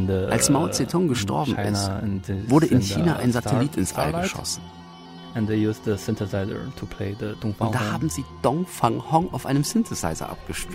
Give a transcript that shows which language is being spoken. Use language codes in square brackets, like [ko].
[de] Als Mao Zedong gestorben ist, wurde in China ein Satellit ins All geschossen. [en] And they used the synthesizer to play the Dong Fang Hong. [de] Und da haben sie Dong Fang Hong auf einem Synthesizer abgespielt.